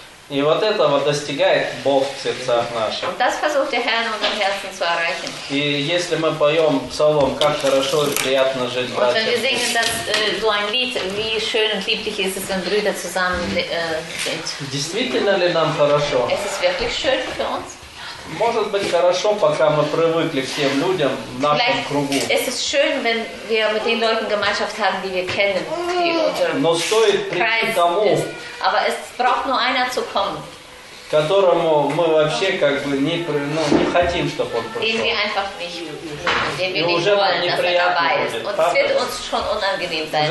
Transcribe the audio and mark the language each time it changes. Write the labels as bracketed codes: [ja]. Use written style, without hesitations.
[ru] И вот этого достигает Бог в сердцах наших. [de] Und das versucht der Herr in unserem Herzen zu erreichen. [ru] И если мы поем псалом, как хорошо и приятно жить, братья. [de] Und wenn wir singen das, so ein Lied, wie schön und lieblich ist es, wenn Brüder zusammen sind. [ru] Действительно ли нам хорошо? [de] Es ist wirklich schön für uns. [ru] Может быть хорошо, пока мы привыкли к тем людям в нашем [de] Vielleicht [ru] кругу. [de] Es ist schön, wenn wir mit den Leuten Gemeinschaft haben, die wir kennen, die [ru] Но стоит прийти [de] Kreis [ru] тому, [de] ist, aber es braucht nur einer zu kommen, [ru] которому мы вообще как бы не, ну, не хотим, чтобы он пришел. [de] Den wir einfach nicht, den wir nicht wollen, dass er dabei ist. Und es wird uns schon unangenehm sein,